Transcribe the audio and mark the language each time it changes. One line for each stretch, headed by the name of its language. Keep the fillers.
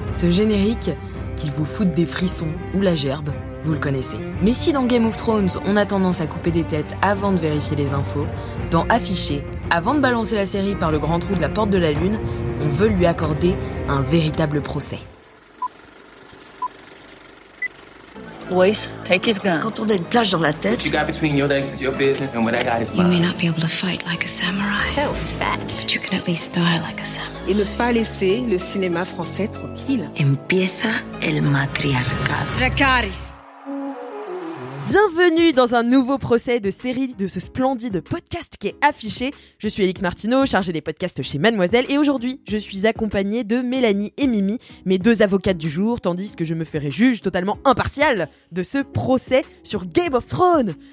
French: générique, qu'il vous foute des frissons ou la gerbe, vous le connaissez. Mais si dans Game of Thrones, on a tendance à couper des têtes avant de vérifier les infos, dans Afficher, avant de balancer la série par le grand trou de la porte de la lune, on veut lui accorder un véritable procès.
English: Always take his gun. What you got between your legs is your business, and what I got is mine. You may not be able to fight like a samurai. So fat. But you can at least die like a samurai.
French: Et ne pas laisser le cinéma français tranquille.
Spanish: Empieza el matriarcado.
French: Dracarys. Bienvenue dans un nouveau procès de série de ce splendide podcast qui est affiché. Je suis Alix Martineau, chargé des podcasts chez Mademoiselle, et aujourd'hui, je suis accompagnée de Mélanie et Mimi, mes deux avocates du jour, tandis que je me ferai juge totalement impartial de ce procès sur Game of Thrones.